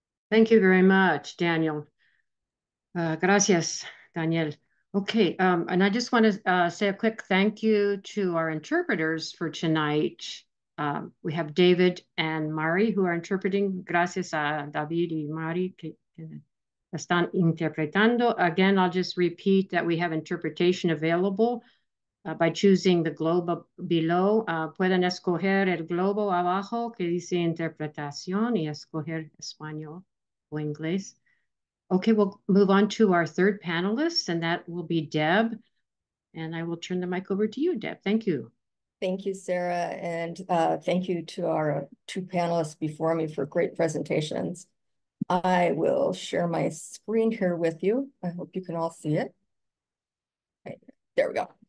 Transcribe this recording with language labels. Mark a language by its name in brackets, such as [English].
[English] Thank you very much, Daniel. [Spanish] Gracias, Daniel. [English] Okay, and I just want to say a quick thank you to our interpreters for tonight. We have David and Mari who are interpreting. [Spanish] Gracias a David y Mari que están interpretando. [English] Again, I'll just repeat that we have interpretation available by choosing the globe below. [Spanish] Pueden escoger el globo abajo que dice interpretación y escoger español. [English] English. Okay, we'll move on to our third panelist, and that will be Deb. And I will turn the mic over to you, Deb. Thank you. Thank you, Sarah. And thank you to our two panelists before me for great presentations. I will share my screen here with you. I hope you can all see it. There we go.